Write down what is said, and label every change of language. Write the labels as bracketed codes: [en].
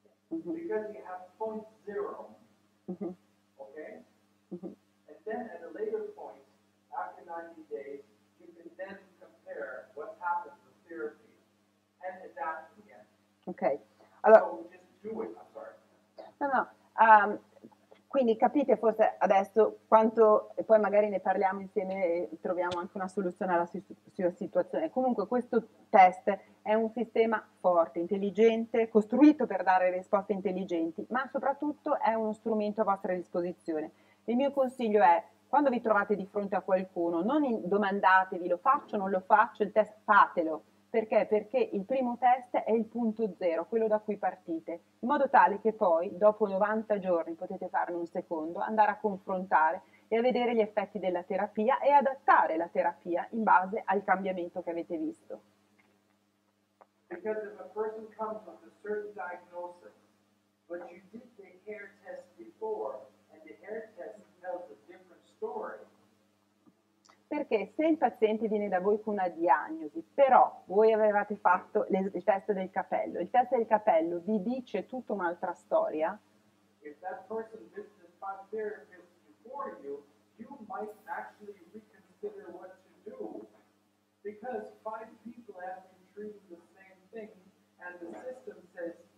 [en] Because you have point zero, okay? And then at a later point, after 90 days, you can then compare what happens with therapy and adapt again. Okay. So just do it, I'm sorry. No, no. [it] Quindi capite forse adesso quanto, e poi magari ne parliamo insieme e troviamo anche una soluzione alla situazione. Comunque questo test è un sistema forte, intelligente, costruito per dare risposte intelligenti, ma soprattutto è uno strumento a vostra disposizione. Il mio consiglio è, quando vi trovate di fronte a qualcuno, non domandatevi lo faccio o non lo faccio, il test fatelo. Perché? Perché il primo test è il punto zero, quello da cui partite, in modo tale che poi, dopo 90 giorni, potete farne un secondo, andare a confrontare e a vedere gli effetti della terapia e adattare la terapia in base al cambiamento che avete visto. [en] Because if a person comes with a certain diagnosis, but you did the hair test before, and the hair test tells a different story. [it] Perché se il paziente viene da voi con una diagnosi, però voi avevate fatto il test del capello, il test del capello vi dice tutta un'altra storia. [en] If that person visited five therapists before you, you might actually reconsider what to do, because five people have been treating the thing and the system says